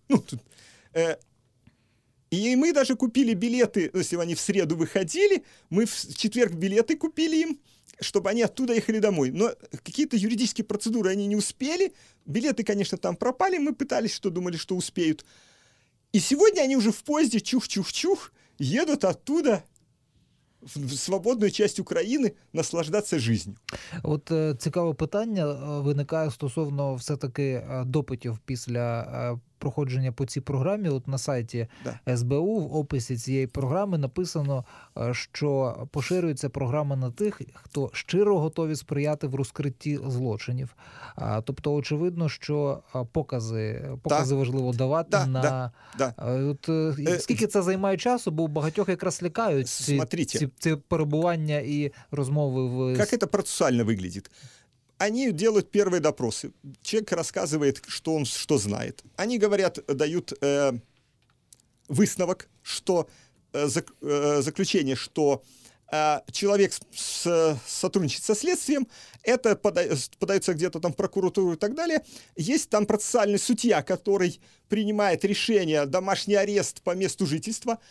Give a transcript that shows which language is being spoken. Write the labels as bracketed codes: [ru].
[ru] Ну, тут, и мы даже купили билеты, если они в среду выходили, мы в четверг билеты купили им, чтобы они оттуда ехали домой. Но какие-то юридические процедуры они не успели. Билеты, конечно, там пропали. Мы пытались, что думали, что успеют. И сегодня они уже в поезде, чух-чух-чух, едут оттуда в свободную часть України наслаждаться жизнью. [uk] От цікаве питання виникає стосовно все-таки допитів після проходження по цій програмі. От на сайті СБУ в описі цієї програми написано, що поширюється програма на тих, хто щиро готові сприяти в розкритті злочинів. Тобто, очевидно, що покази важливо давати. От, скільки це займає часу, бо багатьох якраз лякають ці перебування і розмови. Як це процесуально виглядить? [ru] Они делают первые допросы. Человек рассказывает, что он что знает. Они говорят, дают высновок, что заключение, что человек сотрудничает со следствием. Это подается где-то там в прокуратуру и так далее. Есть там процессуальный судья, который принимает решение, домашний арест по месту жительства.